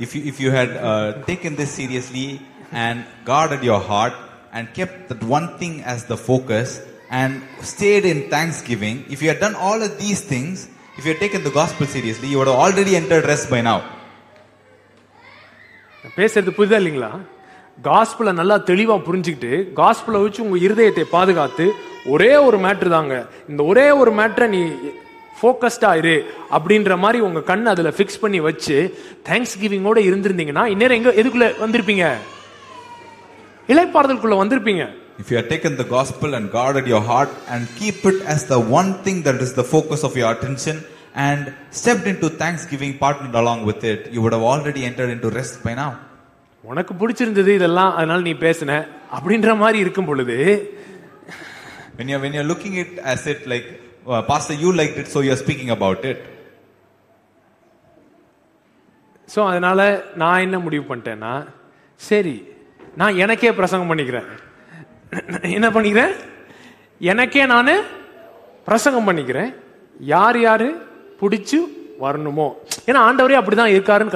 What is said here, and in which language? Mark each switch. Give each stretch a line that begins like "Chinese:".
English: If you had taken this seriously and guarded your heart and kept that one thing as the focus and stayed in thanksgiving, if you had done all of these things, if you had taken the gospel seriously, you would have already entered rest by now.
Tamil: பேசறது புரியதா இல்லீங்களா? காஸ்பல நல்லா தெளிவா புரிஞ்சுக்கிட்டு காஸ்பல வச்சு உங்க இருதயத்தை பாதுகாத்து ஒரே ஒரு மேட்டர் தாங்க, இந்த ஒரே ஒரு மேட்டரை நீ ஃபோக்கஸ்டா இரு அப்படின்ற மாதிரி உங்க கண்ணு அதுல பிக்ஸ் பண்ணி வச்சு தேங்க்ஸ் கிவிங்கோட இருந்திருந்தீங்கன்னா இன்னும் எங்க எதுக்குள்ள வந்திருப்பீங்க? இளைப்பாறுதலுக்குள்ள வந்திருப்பீங்க.
English: If you had taken the gospel and guarded your heart and keep it as the one thing that is the focus of your attention and stepped into thanksgiving, partnered along with it, you would have already entered into rest by now.
Tamil: உனக்கு பிடிச்சிருந்தது இதெல்லாம் அதனால நீ பேசின அப்படின்ற மாதிரி இருக்கும் பொழுது,
English: when you're looking it as it like pastor you liked it so you're speaking about it,
Tamil: so அதனால நான் என்ன முடிவு பண்ணிட்டேன்னா, சரி நான் எனக்கே பிரசங்கம் பண்ணிக்கிறேன். என்ன பண்ணிக்கிறேன்? எனக்கே நான் பிரசங்கம் பண்ணிக்கிறேன். யார் யார் பிடிச்சு வரணுமோ, ஏன்னா ஆண்டவரே அப்படிதான் இருக்காருன்னு